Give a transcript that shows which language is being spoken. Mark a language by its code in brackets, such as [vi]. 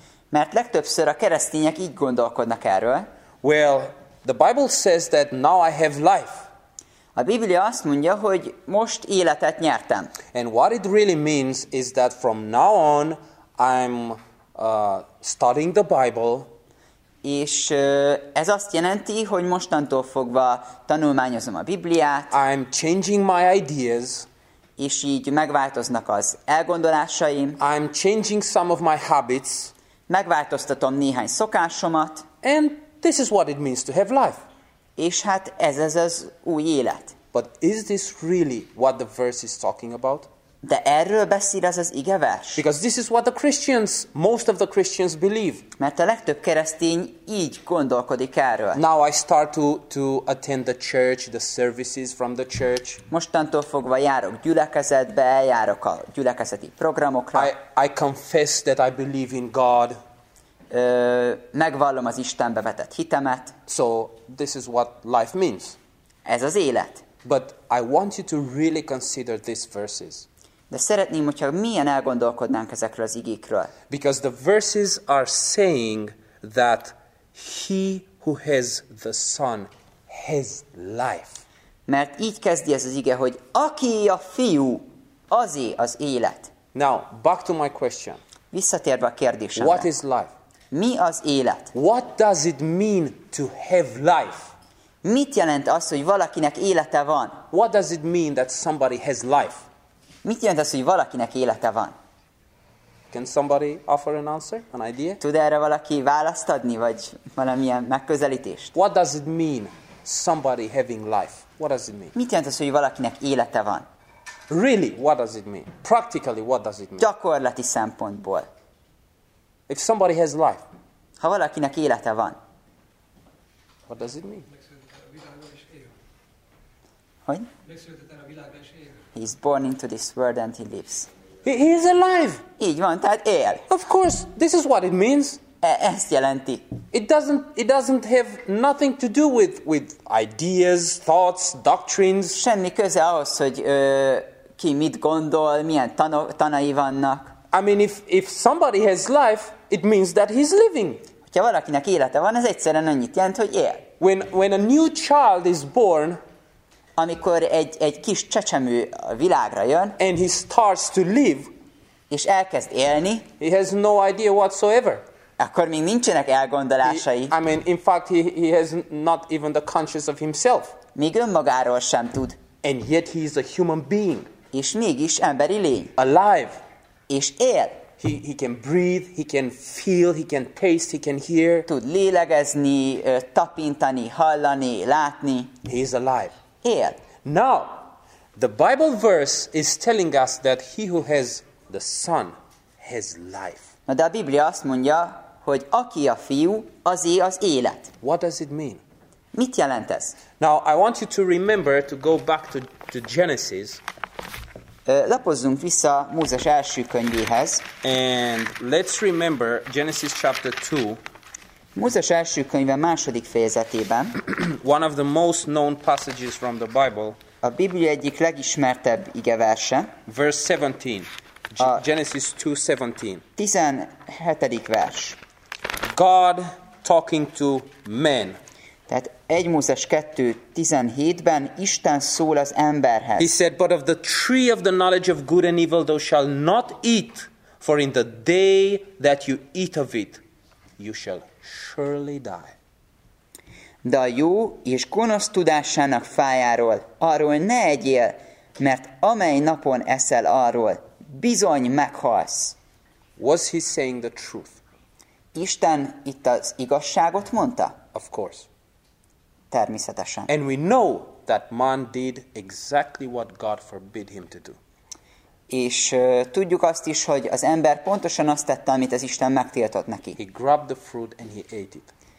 [hu] Mert legtöbbször a keresztények így gondolkodnak erről. [en] Well, the Bible says that now I have life. [hu] A Biblia azt mondja, hogy most életet nyertem. [en] And what it really means is that from now on I'm studying the Bible. [hu] És ez azt jelenti, hogy mostantól fogva tanulmányozom a Bibliát. [en] I'm changing my ideas. [hu] És így megváltoznak az elgondolásaim. [en] I'm changing some of my habits. [hu] Megváltoztatom néhány szokásomat. [en] And this is what it means to have life. [hu] És hát ez az új élet. [en] But is this really what the verse is talking about? [hu] De erről beszél ez az igevers. [en] Because this is what the Christians, most of the Christians believe. [hu] Mert a legtöbb keresztény így gondolkodik erről. [en] Now I start to attend the church, the services from the church. [hu] Mostantól fogva járok gyülekezetbe, eljárok a gyülekezeti programokra. [en] I confess that I believe in God. [hu] megvallom az Istenbe vetett hitemet. [en] So this is what life means. [hu] Ez az élet. [en] But I want you to really consider these verses. [hu] De szeretném, hogyha milyen elgondolkodnánk ezekről az igékről. [en] Because the verses are saying that he who has the Son has life. [hu] Mert így kezdi ez az ige, hogy aki a fiú, azé az élet. [en] Now, back to my question. [hu] Visszatérve a kérdésemre. [en] What is life? [hu] Mi az élet? [en] What does it mean to have life? [hu] Mit jelent az, hogy valakinek élete van? [en] What does it mean that somebody has life? [hu] Mit jelent az, hogy valakinek élete van? [en] Can somebody offer an answer, an idea? [hu] Tud erre valaki választ adni, vagy valamilyen megközelítést? [en] What does it mean, somebody having life? What does it mean? [hu] Mit jelent az, hogy valakinek élete van? [en] Really, what does it mean? Practically, what does it mean? [hu] Gyakorlati szempontból. [en] If somebody has life. [hu] Ha valakinek élete van. [en] What does it mean? [hu] Hogy? [en] He's born into this world and he lives. He is alive. [hu] Így van, tehát él. [en] Of course, this is what it means. [hu] Ezt jelenti. [en] It doesn't have nothing to do with ideas, thoughts, doctrines. [hu] Semmi köze ahhoz, hogy ki mit gondol, milyen tanai vannak. [en] I mean, if somebody has life, it means that he's living. [hu] Hogyha valakinek élete van, ez egyszerűen annyit jelent, hogy él. [en] When a new child is born, [hu] amikor egy kis csecsemő a világra jön, [en] and he starts to live, [hu] és elkezd élni, [en] he has no idea whatsoever. [hu] Akkor még nincsenek elgondolásai. [en] I mean, in fact, he has not even the conscience of himself. [hu] Még önmagáról sem tud. [en] And yet he is a human being. [hu] És mégis emberi lény. [en] Alive. [hu] És él. [en] He can breathe, he can feel, he can taste, he can hear. [hu] Tud lélegezni, tapintani, hallani, látni. [en] He is alive. [hu] Él. [en] Now, the Bible verse is telling us that he who has the Son has life. [hu] Na de a Biblia azt mondja, hogy aki a fiú, azé az élet. [en] What does it mean? [hu] Mit jelent ez? [en] Now, I want you to remember to go back to Genesis. [hu] Lapozzunk vissza Mózes első könyvéhez. [en] And let's remember Genesis chapter 2. [hu] Mózes első könyve második fejezetében. [en] One of the most known passages from the Bible. [hu] A Biblia egyik legismertebb igeverse. [en] Verse 17. Genesis 2:17. [hu] 17. vers. [en] God talking to men. [hu] Tehát 1 Mózes 2:17-ben Isten szól az emberhez. [en] He said, but of the tree of the knowledge of good and evil thou shall not eat, for in the day that you eat of it, you shall surely die. [hu] De a jó és gonosz tudásának fájáról, arról ne egyél, mert amely napon eszel arról, bizony meghalsz. [en] Was he saying the truth? [hu] Isten itt az igazságot mondta? [en] Of course. [hu] Természetesen. [en] And we know that man did exactly what God forbid him to do. [hu] És tudjuk azt is, hogy az ember pontosan azt tette, amit az Isten megtiltott neki. [en] He grabbed the fruit and he ate it.